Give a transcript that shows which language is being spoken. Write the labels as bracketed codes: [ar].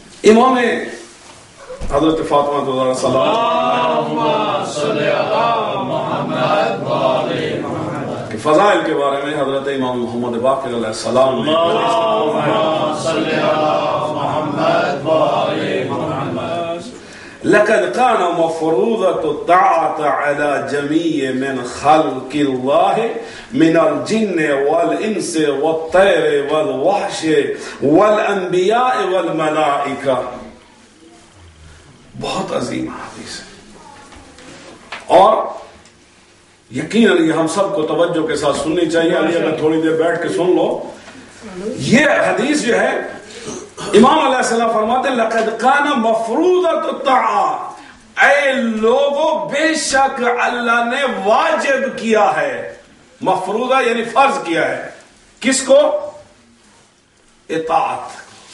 [ur] امام حضرت فاطمہ الزہرا سلام کے فضائل کے بارے میں حضرت امام محمد باقر علیہ السلام نے, اللہ [ar] لقد كان مفروضة الطاعة على جميع من خلق الله من الجن والإنس والطير والوحش والأنبياء والملائكة. [ur] بہت عظیم حدیث ہے اور یقیناً یہ ہم سب کو توجہ کے ساتھ سننی چاہیے. علی اگر تھوڑی دیر بیٹھ کے سن لو یہ حدیث جو ہے. امام علیہ السلام فرماتے ہیں [ar] لقد کان مفروضۃ الطاعۃ, [ur] اے لوگوں بے شک اللہ نے واجب کیا ہے, مفروضہ یعنی فرض کیا ہے کس کو؟ اطاعت.